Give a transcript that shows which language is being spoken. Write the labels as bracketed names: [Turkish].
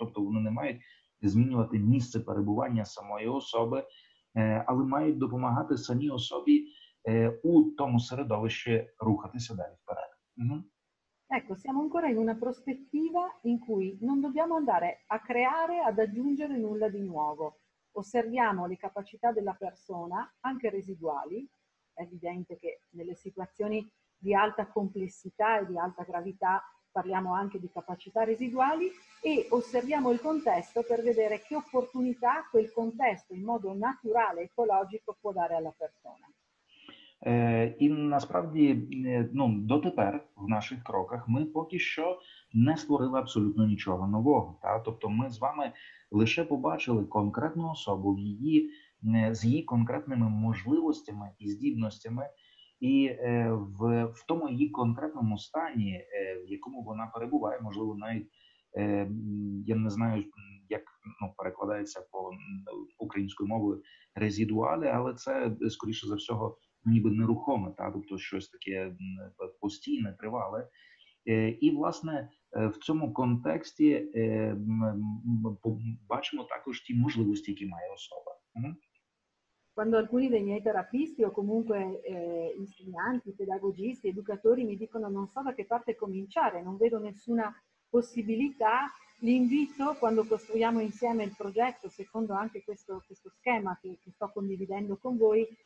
[Ukrainian] Тобто вони не мають змінювати місце перебування самої особи, але мають допомагати самій особі у тому середовищі рухатися далі вперед. [Italian] Ecco, siamo ancora in una prospettiva in cui non dobbiamo andare a creare, ad aggiungere nulla di nuovo. Osserviamo le capacità della persona, anche residuali. È evidente che nelle situazioni di alta complessità e di alta gravità parliamo anche di capacità residuali, e osserviamo il contesto per vedere che opportunità quel contesto in modo naturale, ecologico, può dare alla persona. [Ukrainian] І насправді, дотепер в наших кроках ми поки що не створили абсолютно нічого нового. Та? Тобто ми з вами лише побачили конкретну особу з її конкретними можливостями і здібностями, і в тому її конкретному стані, в якому вона перебуває, можливо, навіть, я не знаю, як перекладається по українською мовою, резідуалі, але це, скоріше за всього, ніби нерухоме, та? Тобто щось таке постійне, тривале. І, власне, в цьому контексті ми бачимо також ті можливості, які має особа. [Italian] Quando alcuni dei miei terapisti o comunque insegnanti, pedagogisti, educatori mi dicono non so da che parte cominciare, non vedo nessuna possibilità, li invito, quando costruiamo insieme il progetto, secondo anche questo schema che sto condividendo con voi,